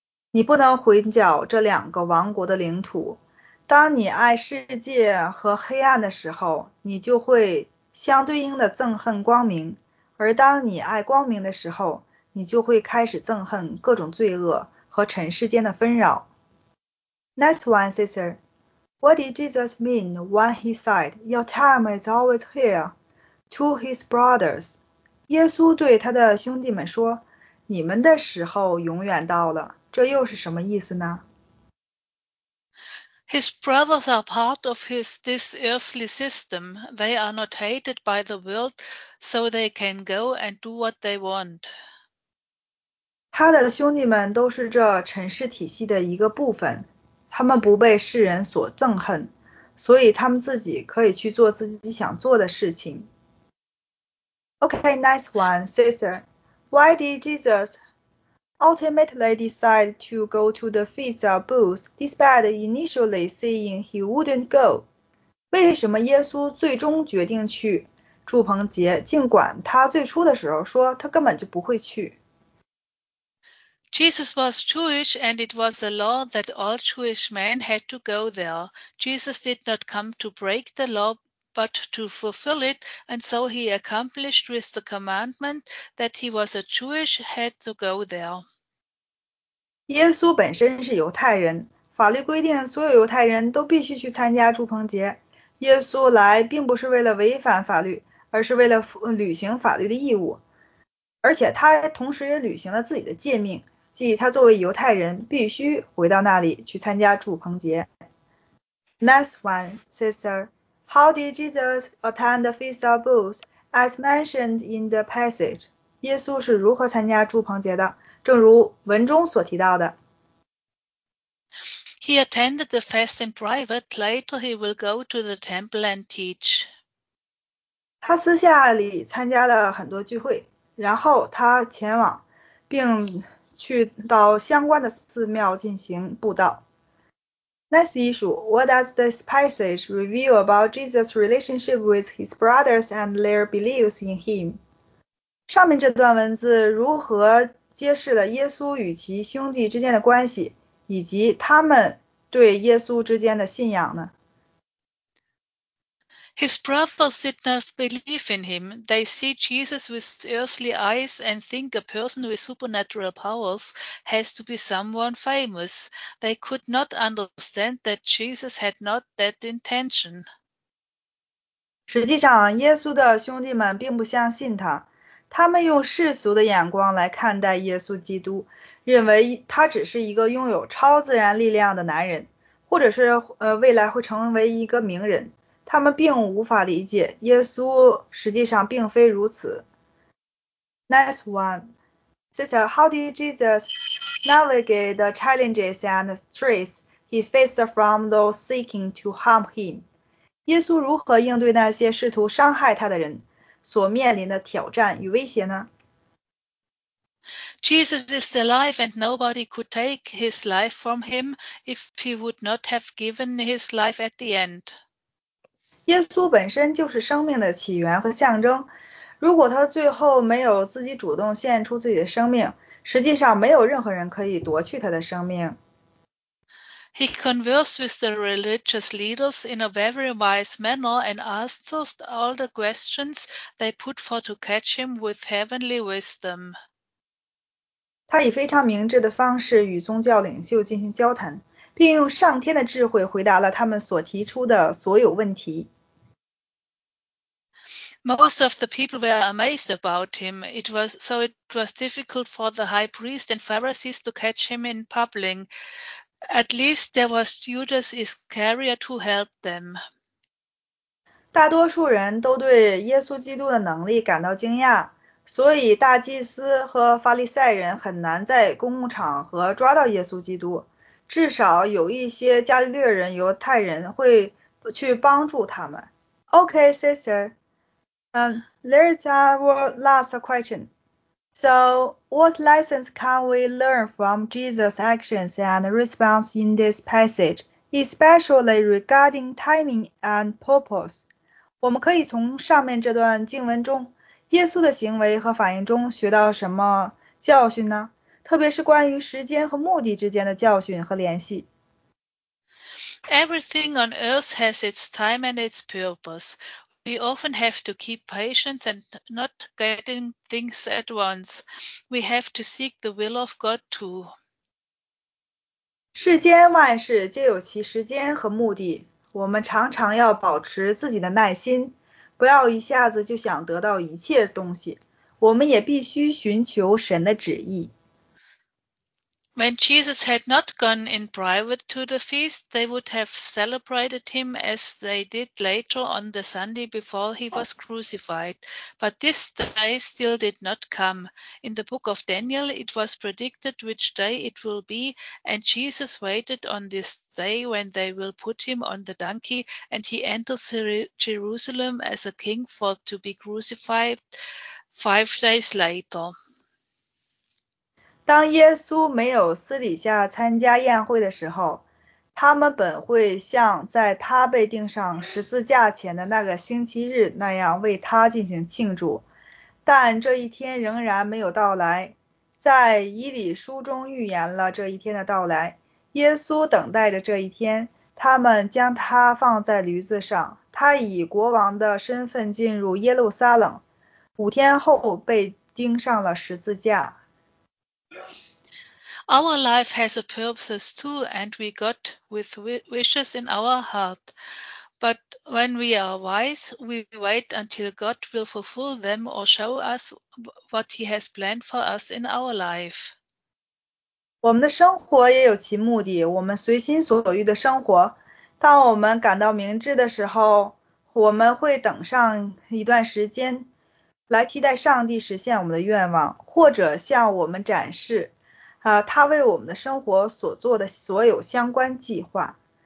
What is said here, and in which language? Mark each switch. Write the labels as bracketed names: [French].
[Chinese] 你不能混搅这两个王国的领土。当你爱世界和黑暗的时候，你就会相对应的憎恨光明，而当你爱光明的时候，你就会开始憎恨各种罪恶和尘世间的纷扰。 [English] Next one, sister. What did Jesus mean when he said, "Your time is always here," to his brothers? [Chinese] 耶稣对他的兄弟们说，你们的时候永远到了，这又是什么意思呢？ [English] His brothers are part of this earthly system. They are not hated by the world, so they can go and do what they want. [Chinese] 他的兄弟们都是这尘世体系的一个部分，他们不被世人所憎恨，所以他们自己可以去做自己想做的事情。 [English] Okay, nice one, sister. Why did Jesus ultimately decide to go to the Feast of Booths, despite initially saying he wouldn't go? [Chinese] 为什么耶稣最终决定去祝棚节，尽管他最初的时候说他根本就不会去？ [English] Jesus was Jewish, and it was a law that all Jewish men had to go there. Jesus did not come to break the law, but to fulfill it, and so he accomplished with the commandment that he was a Jewish had to go there. [Chinese] 耶稣本身是犹太人，法律规定所有犹太人都必须去参加祝棚节。耶稣来并不是为了违反法律，而是为了履行法律的义务，而且他同时也履行了自己的诫命，即他作为犹太人必须回到那里去参加祝棚节。 [English] Next one, sister. How did Jesus attend the Feast of Booths, as mentioned in the passage? [Chinese] 耶稣是如何参加祝棚节的？正如文中所提到的。 [English] He attended the feast in private. Later, he will go to the temple and teach. [Chinese] 他私下里参加了很多聚会，然后他前往并去到相关的寺庙进行布道。 [English] Next issue, what does this passage reveal about Jesus' relationship with his brothers and their beliefs in him? [Chinese] 上面这段文字如何揭示了耶稣与其兄弟之间的关系，以及他们对耶稣之间的信仰呢？ [English] His brothers did not believe in him. They see Jesus with earthly eyes and think a person with supernatural powers has to be someone famous. They could not understand that Jesus had not that intention. [Chinese] 实际上，耶稣的兄弟们并不相信他，他们用世俗的眼光来看待耶稣基督，认为他只是一个拥有超自然力量的男人，或者是未来会成为一个名人。他们并无法理解，耶稣实际上并非如此。 [English] Next one, sister, how did Jesus navigate the challenges and stress he faced from those seeking to harm him? [Chinese] 耶稣如何应对那些试图伤害他的人所面临的挑战与威胁呢？ [English] Jesus is alive and nobody could take his life from him if he would not have given his life at the end. [Chinese] 耶稣本身就是生命的起源和象征，如果他最后没有自己主动献出自己的生命，实际上没有任何人可以夺去他的生命。 [English] He conversed with the religious leaders in a very wise manner and answered all the questions they put for to catch him with heavenly wisdom. [Chinese] 他以非常明智的方式与宗教领袖进行交谈，并用上天的智慧回答了他们所提出的所有问题。 [English] Most of the people were amazed about him. It was difficult for the high priest and Pharisees to catch him in public. At least there was Judas Iscariot to help them. [Chinese] 大多数人都对耶稣基督的能力感到惊讶，所以大祭司和法利赛人很难在公共场合抓到耶稣基督。至少有一些加利略人、犹太人会去帮助他们。 [English] Okay, sister. There's our last question. So, what lessons can we learn from Jesus' actions and response in this passage, especially regarding timing and purpose? [Chinese] 我们可以从上面这段经文中，耶稣的行为和反应中学到什么教训呢？特别是关于时间和目的之间的教训和联系。 [English] Everything on earth has its time and its purpose. We often have to keep patience and not getting things at once. We have to seek the will of God too. [Chinese] 世间万事皆有其时间和目的，我们常常要保持自己的耐心，不要一下子就想得到一切东西。我们也必须寻求神的旨意。 [English] When Jesus had not gone in private to the feast, they would have celebrated him as they did later on the Sunday before he was crucified. But this day still did not come. In the book of Daniel, it was predicted which day it will be, and Jesus waited on this day when they will put him on the donkey, and he enters Jerusalem as a king for to be crucified 5 days later. [Chinese] 当耶稣没有私底下参加宴会的时候，他们本会像在他被钉上十字架前的那个星期日那样为他进行庆祝，但这一天仍然没有到来。在以理书中预言了这一天的到来，耶稣等待着这一天，他们将他放在驴子上，他以国王的身份进入耶路撒冷，五天后被钉上了十字架。 [English] Our life has a purpose too, and we got with wishes in our heart. But when we are wise, we wait until God will fulfill them or show us what He has planned for us in our life. [Chinese] 我们的生活也有其目的，我们随心所欲的生活。当我们感到明智的时候，我们会等上一段时间来期待上帝实现我们的愿望，或者向我们展示他为我们的生活所做的所有相关计划。